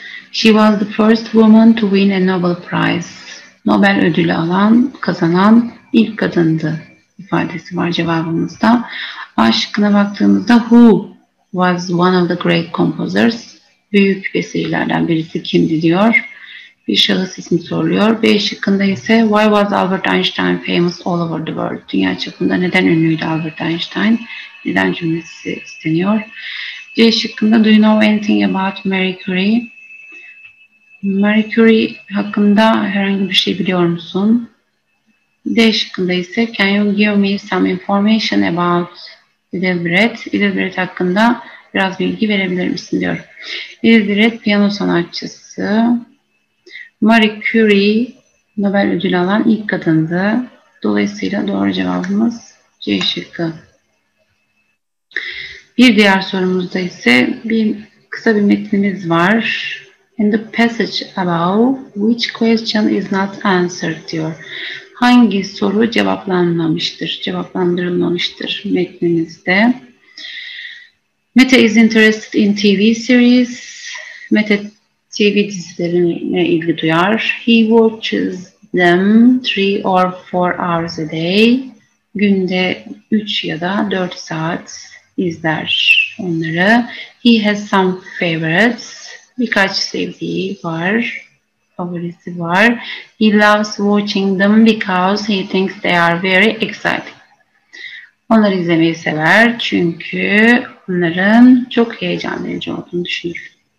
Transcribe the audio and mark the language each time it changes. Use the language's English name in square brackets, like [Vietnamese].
[English] She was the first woman to win a Nobel Prize. [Turkish] Nobel ödülü alan, kazanan ilk kadındı ifadesi var cevabımızda. A şıkkına baktığımızda [English] who was one of the great composers? [Turkish] Büyük bestecilerden birisi kimdi, diyor. Bir şahıs ismi soruluyor. B şıkkında ise [English] why was Albert Einstein famous all over the world? [Turkish] Dünya çapında neden ünlüydü Albert Einstein? Neden cümlesi isteniyor? C şıkkında [English] do you know anything about Marie Curie? [Turkish] Marie Curie hakkında herhangi bir şey biliyor musun? D şıkkında ise [English] can you give me some information about Edelbred? [Turkish] Edelbred hakkında biraz bilgi verebilir misin, diyor. Edelbred piyano sanatçısı. Marie Curie Nobel ödülü alan ilk kadındı. Dolayısıyla doğru cevabımız C şıkkı. Bir diğer sorumuzda ise bir kısa bir metnimiz var. [English] In the passage above, which question is not answered, [Turkish] diyor. Hangi soru cevaplanmamıştır, cevaplandırılmamıştır metnimizde? [English] Meta is interested in TV series. [Turkish] Meta TV dizilerine ilgi duyar. [English] He watches them 3 or 4 hours a day. [Turkish] Günde 3 ya da 4 saat izler onları. [English] He has some favorites. [Turkish] Birkaç sevdiği var, favorisi var. [English] He loves watching them because he thinks they are very exciting. [Turkish] Onları izlemeyi sever çünkü onların çok heyecan verici olduğunu düşünür.